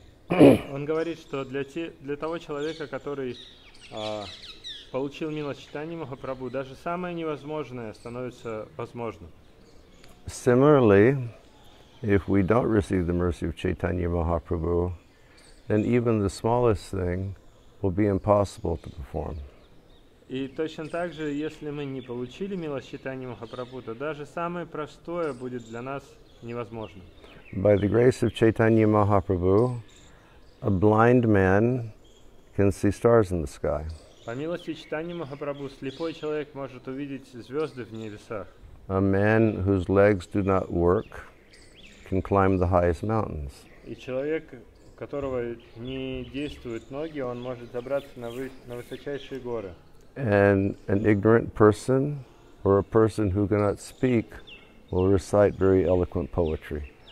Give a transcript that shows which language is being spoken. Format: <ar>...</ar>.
<ru>Он говорит, что для того человека, который получил милость Чайтанья Махапрабху, даже самое невозможное становится возможным.</ru> <en>Similarly, if we don't receive the mercy of Chaitanya Mahaprabhu, then even the smallest thing will be impossible to perform.</en> <ru>И точно так же, если мы не получили милость Чайтанья Махапрабху, то даже самое простое будет для нас невозможным.</ru> <en>By the grace of Chaitanya Mahaprabhu, a blind man can see stars in the sky.</en> <ru>По милости Чайтанья Махапрабху, слепой человек может увидеть звезды в небесах.</ru> <en>A man whose legs do not work can climb the highest mountains.</en> <ru>И человек, у которого не действуют ноги, он может забраться на высочайшие горы.</ru> <en>And an ignorant person or a person who cannot speak will recite very eloquent poetry.</en>